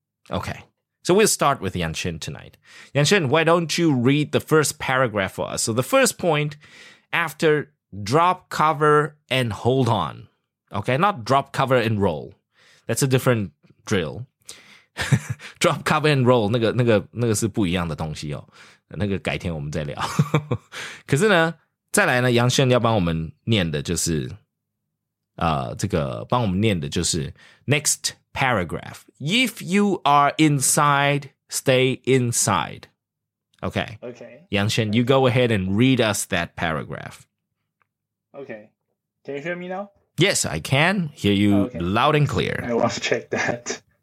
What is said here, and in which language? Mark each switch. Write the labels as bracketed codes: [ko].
[en] Okay. So we'll start with Yang Shen tonight. Yang Shen, why don't you read the first paragraph for us? So the first point, after drop, cover, and hold on. Okay, not drop, cover, and roll. That's a different drill. Drop, cover, and roll. [zh] 那个是不一样的东西哦。那个改天我们再聊。可是呢再来呢 ,Yang Shen 要帮我们念的就是这个帮我们念的就是 [en] next paragraph. If you are inside, stay inside. Okay. Okay. Yang Shen, you go ahead and read us that paragraph. Okay. Can you hear me now? Yes, I can hear you loud and clear. I want to check that.